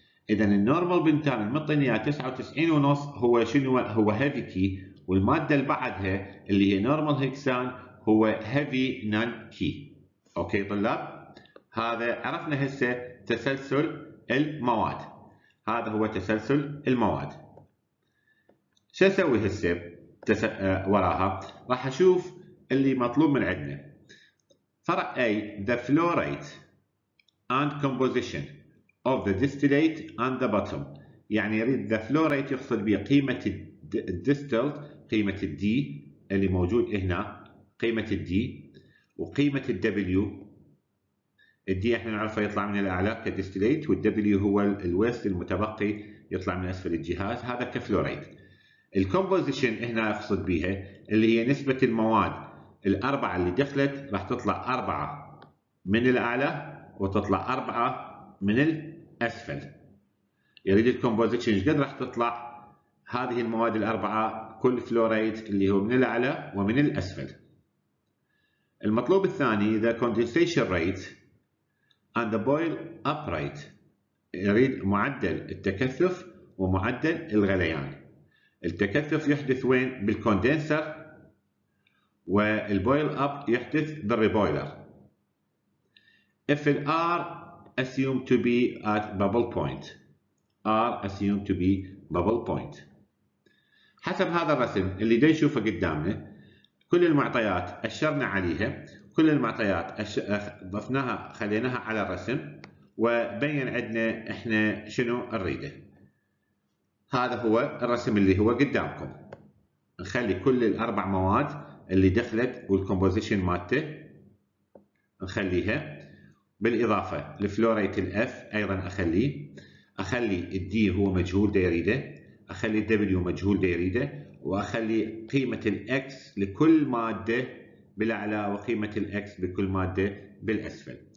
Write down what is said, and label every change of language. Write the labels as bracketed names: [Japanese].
[Arabic] إذا النورمال بنتان المطينة 99.5 هو شنو؟ هو هيفي كي، والمادة اللي بعدها اللي هي نورمال هكسان هو [English] heavy non-key. [Arabic] اوكي طلاب، هذا عرفنا هسه تسلسل المواد. هذا هو تسلسل المواد. شو اسوي هسه؟ وراها راح اشوف اللي مطلوب من عندنا. [English] فرع A, the flow rate and composition of the distillate and the bottom. [Arabic] يعني يريد [English] the flow rate [Arabic] يحصل به قيمة distilled, قيمة D اللي موجود هنا, قيمة D وقيمة W. D احنا نعرفه يطلع من الأعلى كdistillate, والW هو الويست المتبقي يطلع من أسفل الجهاز, هذا كflow rate. الكومبوزيشن هنا أقصد بها اللي هي نسبة المواد الأربعة اللي دخلت, راح تطلع أربعة من الأعلى وتطلع أربعة من الأسفل. يريد الكومبوزيشن شقد راح تطلع هذه المواد الأربعة كل فلوريت اللي هو من الأعلى ومن الأسفل. المطلوب الثاني [English] the condensation rate and the boil up rate, [Arabic] يريد معدل التكثف ومعدل الغليان. التكثف يحدث وين؟ بالكوندنسر, والبويل اب يحدث بالريبويلر. [English] If ال R assumed to be at bubble point, R assumed to be bubble point. [Arabic] حسب هذا الرسم اللي دي نشوفه قدامنا, كل المعطيات أشرنا عليها, كل المعطيات ضفناها خليناها على الرسم, وبين عندنا احنا شنو نريده. هذا هو الرسم اللي هو قدامكم. نخلي كل الأربع مواد اللي دخلت والكومبوزيشن مالته نخليها, بالإضافة لفلوريت الاف أيضا أخليه, أخلي الدي هو مجهول دايريده, أخلي الدبليو مجهول دايريده, وأخلي قيمة الاكس لكل مادة بالأعلى وقيمة الاكس بكل مادة بالأسفل.